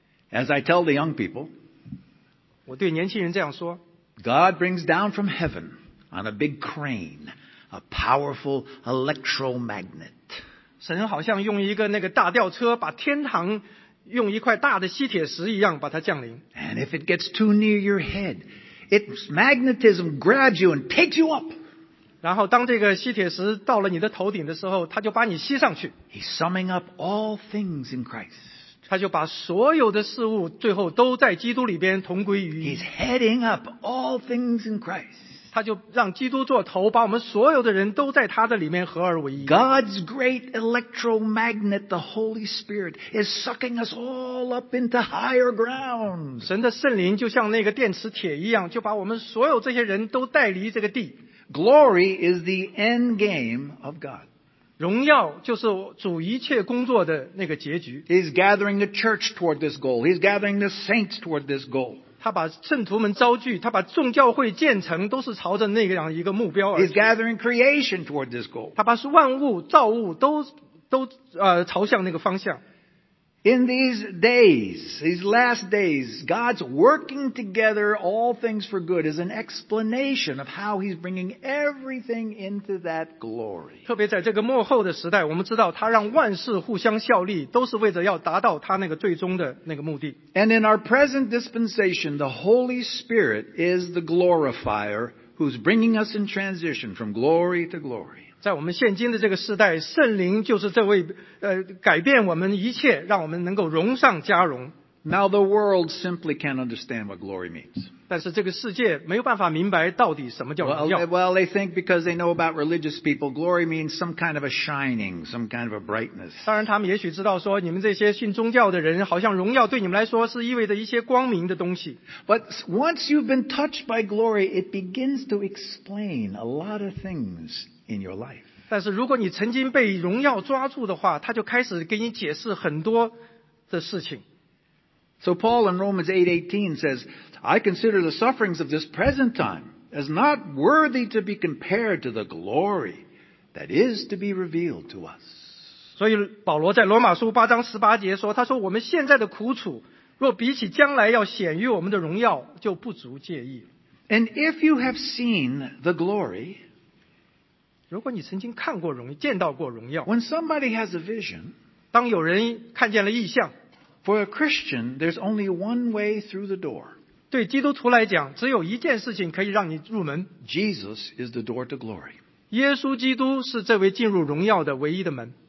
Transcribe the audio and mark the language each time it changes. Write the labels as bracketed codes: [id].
[en] As I tell the young people, [zh] 我对年轻人这样说， [en] God brings down from heaven on a big crane a powerful electromagnet. [zh] 神好像用一个那个大吊车把天堂用一块大的吸铁石一样把它降临。 [en] And if it gets too near your head, its magnetism grabs you and takes you up. [zh] 然后当这个吸铁石到了你的头顶的时候，它就把你吸上去。 [en] He's summing up all things in Christ. [zh] 他就把所有的事物最后都在基督里边同归于一。 [en] He's heading up all things in Christ. [zh] 他就让基督做头，把我们所有的人都在他的里面合而为一。 [en] God's great electromagnet, the Holy Spirit, is sucking us all up into higher ground. [zh] 神的圣灵就像那个电磁铁一样，就把我们所有这些人都带离这个地。 [en] Glory is the end game of God. [zh] 荣耀就是主一切工作的那个结局。 [en] He's gathering the church toward this goal. He's gathering the saints toward this goal. [zh] 他把圣徒们召聚，他把众教会建成，都是朝着那样一个目标而去。 [en] He's gathering creation toward this goal. [zh] 他把万物造物都朝向那个方向。 [en] In these days, these last days, God's working together all things for good is an explanation of how He's bringing everything into that glory. [zh] 特别在这个末后的时代，我们知道他让万事互相效力，都是为着要达到他那个最终的那个目的。 [en] And in our present dispensation, the Holy Spirit is the glorifier who's bringing us in transition from glory to glory. [zh] 在我们现今的这个时代，圣灵就是这位改变我们一切，让我们能够荣上加荣。 [en] Now the world simply can't understand what glory means. [zh] 但是这个世界没有办法明白到底什么叫荣耀。 [en] Well, they think because they know about religious people, glory means some kind of a shining, some kind of a brightness. [zh] 当然他们也许知道说你们这些信宗教的人好像荣耀对你们来说是意味着一些光明的东西。 [en] But once you've been touched by glory, it begins to explain a lot of things. In your life. [zh] 但是如果你曾经被荣耀抓住的话，他就开始给你解释很多的事情。 [en] So Paul in Romans 8:18 says, I consider the sufferings of this present time as not worthy to be compared to the glory that is to be revealed to us. [zh] 所以保罗在罗马书八章十八节说，他说我们现在的苦楚若比起将来要显于我们的荣耀就不足介意。 [en] And if you have seen the glory, [zh] 如果你曾经看过荣耀，见到过荣耀。 [en] When somebody has a vision, [zh] 当有人看见了异象。 [en] For a Christian, there's only one way through the door. [zh] 对基督徒来讲，只有一件事情可以让你入门。 [en] Jesus is the door to glory. [zh] 耶稣基督是这位进入荣耀的唯一的门。